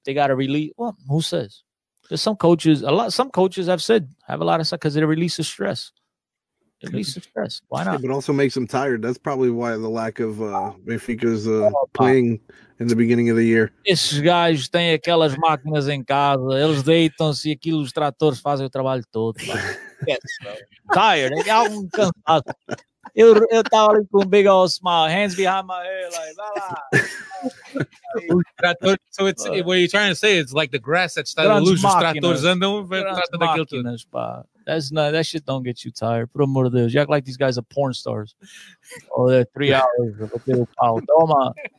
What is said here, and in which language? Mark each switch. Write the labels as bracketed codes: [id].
[en] They got to release. Well, who says? There's some coaches, some coaches I've said have a lot of stuff because it releases stress. It releases stress. Why not? Yeah, but also makes them tired. That's probably why the lack of Benfica's playing in the beginning of the year. [pt] Esses gajos têm aquelas máquinas em casa. Eles deitam-se e aquilo, os tratores fazem o trabalho todo. [en] Tired. [pt] Eles estão cansados. Eu tava ali com um [en] big old smile. Hands behind my head. What you're trying to say is like the grass that started to lose. [pt] Os tratores andam. [en] That shit don't get you tired. [pt] Por amor de Deus. [en] You act like these guys are porn stars. Oh, they're 3 hours. Toma.